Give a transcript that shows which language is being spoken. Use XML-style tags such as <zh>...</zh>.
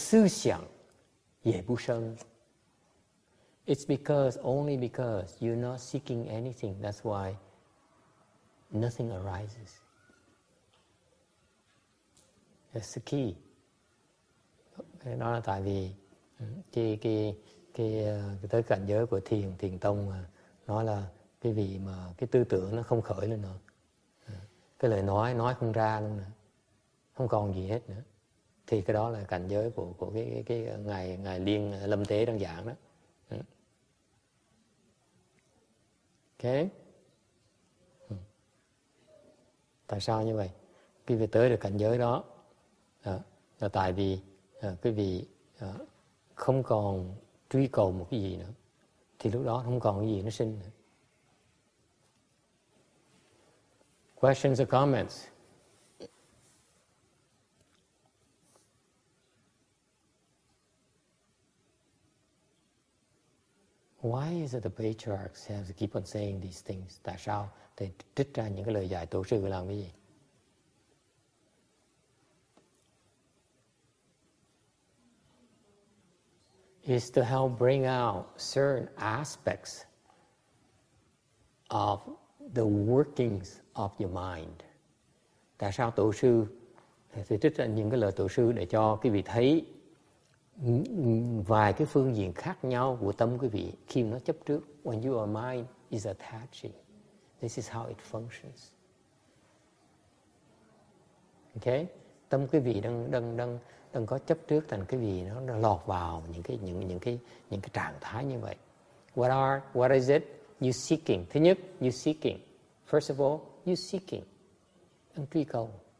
<zh>所以连一个思想也不生.</zh> <en>It's because, only because you're not seeking anything, that's why nothing arises. That's the key.</en> <vi>Nó là tại vì cái tới cảnh giới của thiền, thiền tông nó là cái vị mà cái tư tưởng nó không khởi lên nữa. Cái lời nói không ra luôn nữa. Không còn gì hết nữa. Thì cái đó là cảnh giới của cái ngài, ngài Liên Lâm Tế đang giảng đó.</vi> <en>Okay.</en> <vi>Tại sao như vậy? Quý vị tới được cảnh giới đó là tại vì quý vị không còn truy cầu một cái gì nữa. Thì lúc đó không còn cái gì nó sinh nữa.</vi> <en>Questions or comments? Why is it the patriarchs have to keep on saying these things?</en> <vi>Tại sao thì trích ra những cái lời dạy tổ sư làm cái gì?</vi> <en>Is to help bring out certain aspects of the workings of your mind.</en> <vi>Tại sao tổ sư thì trích ra những cái lời tổ sư để cho quý vị thấy vài cái phương diện khác nhau của tâm quý vị khi nó chấp trước.</vi> <en>When your mind is attaching, this is how it functions.</en> <vi>Okay, tâm quý vị đang có chấp trước thành cái gì, nó lọt vào những cái trạng thái như vậy.</vi> <en>What is it you seeking?</en> <vi>Thứ nhất,</vi> <en>you seeking, first of all, you seeking,</en> <vi>đang truy cầu.</vi>